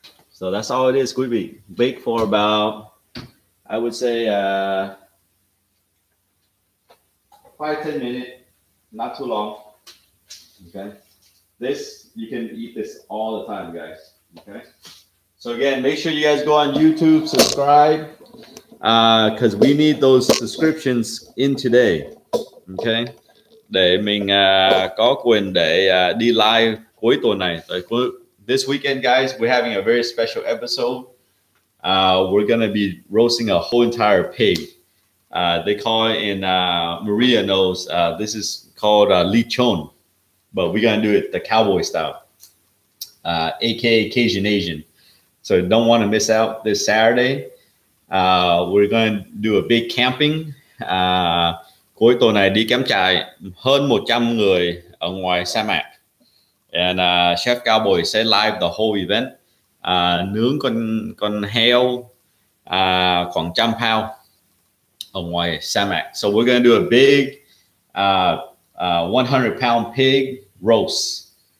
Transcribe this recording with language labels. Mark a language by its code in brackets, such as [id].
[en] So that's all it is, quý vị. Bake for about, I would say, 5-10 minutes, not too long. Okay. This, you can eat this all the time, guys. Okay. So again, make sure you guys go on YouTube, subscribe, because we need those subscriptions in today. Okay. [vi] Để mình có quyền để đi live cuối tuần này. [en] This weekend, guys, we're having a very special episode. We're going to be roasting a whole entire pig. They call it in, Maria knows, this is called lechon. But we're going to do it the cowboy style, aka Cajun Asian. So don't want to miss out this Saturday. We're going to do a big camping. [vi] Cuối tuần này đi cắm trại hơn 100 người ở ngoài sa mạc. And Chef Cowboy sẽ live [en] the whole event. [vi] Nướng con heo khoảng 100 pound ở ngoài sa mạc. [en] So we're going to do a big 100 pound pig roast.